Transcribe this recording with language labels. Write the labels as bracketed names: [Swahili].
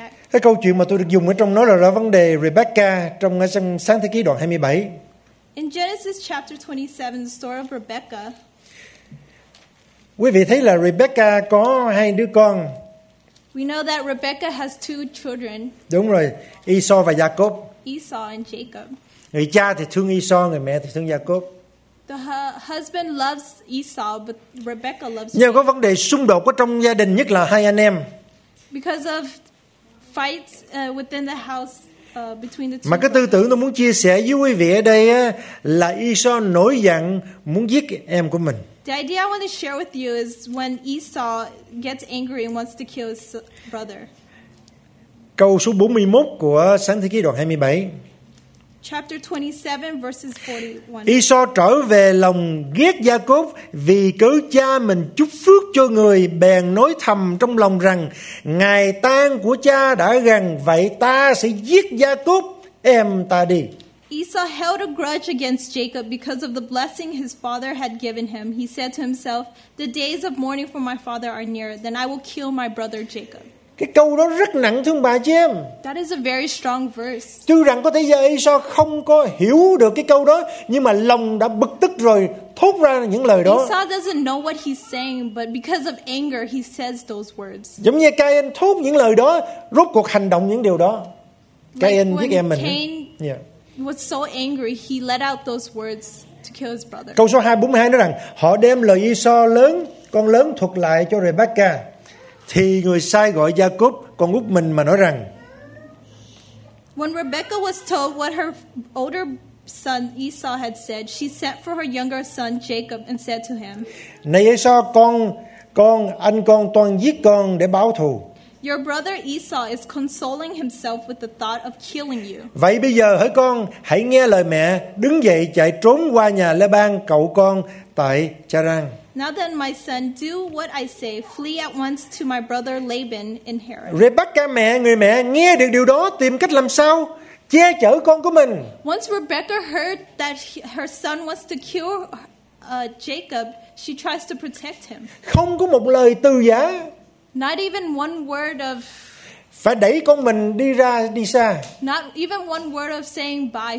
[Vietnamese] Cái câu chuyện mà tôi được dùng ở trong nó là ra vấn đề Rebecca trong Sáng Thế Ký đoạn 27. [English] In Genesis chapter 27, the story of Rebecca. [Vietnamese] Quý vị thấy là Rebecca có hai đứa con. [English] We know that Rebecca has two children. [Vietnamese] Đúng rồi, Esau và Jacob. [English] Esau and Jacob. [Vietnamese] Người cha thì thương Esau, người mẹ thì thương Jacob. [English] The husband loves Esau, but Rebecca loves Jacob. [Vietnamese] Nhưng có vấn đề xung đột có trong gia đình, nhất là hai anh em. [English] Because of fights within the house between the two. [Vietnamese] Mà cái tư tưởng tôi muốn chia sẻ với quý vị ở đây là Esau nổi giận muốn giết em của mình. [English] The idea I want to share with you is when Esau gets angry and wants to kill his brother. [Vietnamese] Câu số 41 của Sáng Thế Ký đoạn 27. [English] Chapter 27 verses 41. [Vietnamese] Esau trở về lòng ghét Jacob vì cớ cha mình chúc phước cho người, bèn nói thầm trong lòng rằng: ngày tan của cha đã gần, vậy ta sẽ giết Jacob em ta đi. [English] Esau held a grudge against Jacob because of the blessing his father had given him. He said to himself, "The days of mourning for my father are near, then I will kill my brother Jacob." [Vietnamese] Cái câu đó rất nặng thương bà chị em. [English] That is a very strong verse. [Vietnamese] Chứ rằng có thể giờ Esau không có hiểu được cái câu đó, nhưng mà lòng đã bực tức rồi, thốt ra những lời đó. [English] Esau doesn't know what he's saying, but because of anger, he says those words. [Vietnamese] Giống như Cain thốt những lời đó, rốt cuộc hành động những điều đó. Cain giết em mình. [English] Was so angry, he let out those words to kill his brother. [Vietnamese] Câu số 242 nói rằng họ đem lời Esau lớn, con lớn thuật lại cho Rebecca. Thì người sai gọi Jacob, con út mình mà nói rằng. [English] When Rebecca was told what her older son Esau had said, she sent for her younger son Jacob and said to him, [Vietnamese] "Này Esau, con anh con toan giết con để báo thù. [English] Your brother Esau is consoling himself with the thought of killing you. [Vietnamese] Vậy bây giờ hỡi con, hãy nghe lời mẹ, đứng dậy chạy trốn qua nhà Laban cậu con tại Charan." [English] Now then, my son, do what I say. Flee at once to my brother Laban in Haran. [Vietnamese] Rebecca mẹ, người mẹ nghe được điều đó, tìm cách làm sao che chở con của mình. [English] Once Rebecca heard that her son wants to kill Jacob, she tries to protect him. [Vietnamese] Không có một lời từ giã. [English] Not even one word of. [Vietnamese] Phải đẩy con mình đi ra đi xa. [English] Not even one word of saying bye.